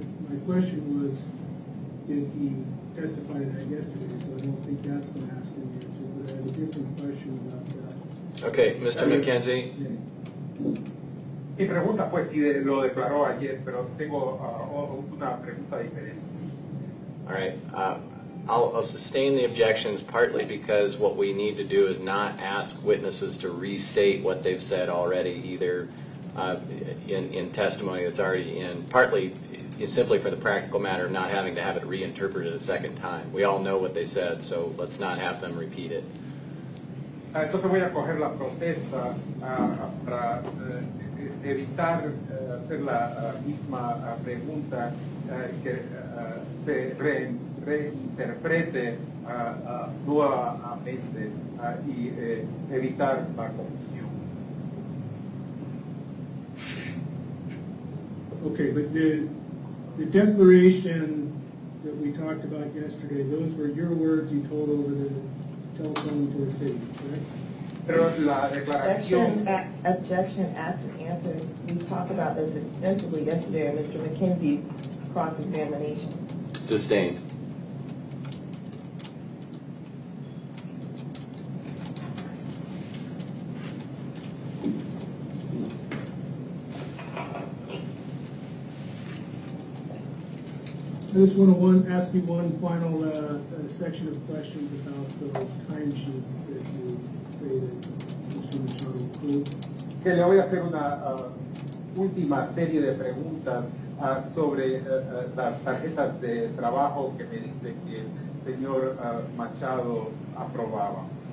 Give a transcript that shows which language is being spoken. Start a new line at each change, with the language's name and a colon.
English: My question was, did he testified that yesterday, so I don't think that's going to ask any answer, but I have a different question about that. Okay, Mr. McKenzie.
Spanish: Mi pregunta fue si lo declaró ayer, pero tengo una pregunta diferente.
English: All right. I'll sustain the objections partly because what we need to do is not ask witnesses to restate what they've said already, either in testimony that's already in, partly is simply for the practical matter of not having to have it reinterpreted a second time. We all know what they said, so let's not have them repeat it.
Spanish: Entonces voy a coger la protesta para evitar hacer la misma pregunta que se reinterprete nuevamente y evitar la confusión.
English: Okay, but the declaration that we talked about yesterday, those were your words you told over the telephone to the city, correct?
Spanish: Pero la declaración...
English: Objection, ask and answer. We talked about this extensively yesterday in Mr. McKenzie's cross-examination. Sustained. I just want to ask you one final section of questions about those timesheets that you say that Mr. Machado approved.
Spanish: Que le voy a hacer una última serie de preguntas sobre las tarjetas de trabajo que me dice que el señor Machado aprobaba.